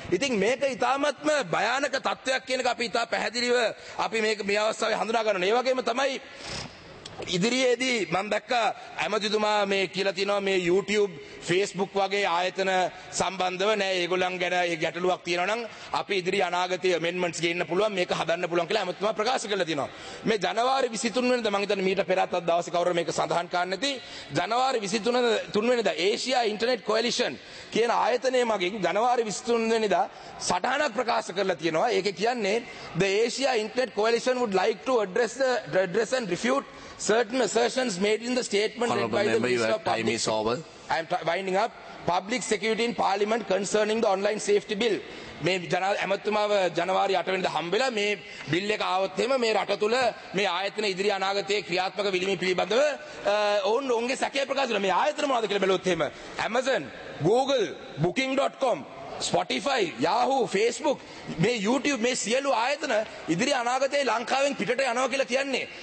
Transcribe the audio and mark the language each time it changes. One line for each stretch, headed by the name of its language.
Sinhala: ඉතින් මේක ඉතාමත්ම භයානක තත්වයක් කියනක අපි ඉතා පැහැදිලිව අපි මේ අවස්ථාවේ හඳුනා ගන්න ඕනේ. ඒ වගේම තමයි ඉදිරියේදී මම දැක්කා ඇමතිතුමා මේ කියලා තිනවා මේ YouTube Facebook වගේ ආයතන සම්බන්ධව නෑ ඒගොල්ලන් ගැන ගැටලුවක් තියෙනවා නම් අපි ඉදිරි අනාගතයේ amendments ගේන්න පුළුවන් මේක හදන්න පුළුවන් කියලා ඇමතිතුමා ප්‍රකාශ කරලා තිනවා. මේ ජනවාරි 23 වෙනිදා මම හිතන්නේ මීට පෙර අතත් දවසේ කවුරු මේක සඳහන් කරන්න ඇති ජනවාරි 23 වෙනිදා Asia Internet Coalition කියන ආයතනය මගින් ජනවාරි 23 වෙනිදා සටහනක් ප්‍රකාශ කරලා තිනවා. ඒකේ කියන්නේ
English: the Asia Internet Coalition would like to address and refute certain assertions made in the statement made by the Minister of Public Security. I am winding up. Public Security in Parliament concerning the online safety bill.
Sinhala: මේ ඇමතිතුමාව ජනවාරි 8 වෙනිදා හම්බෙලා මේ bill එක ආවොත් එහෙම මේ රට තුල මේ ආයතන ඉදිරි අනාගතයේ ක්‍රියාත්මක විලිමි පිළිබඳව ඔවුන්ගේ සැකය ප්‍රකාශ කරනවා. මේ ආයතන මොනවද කියලා බැලුවොත් එහෙම Amazon, Google, booking.com, Spotify, Yahoo, Facebook, මේ YouTube මේ සියලු ආයතන ඉදිරි අනාගතයේ ලංකාවෙන් පිටට යනවා කියලා කියන්නේ.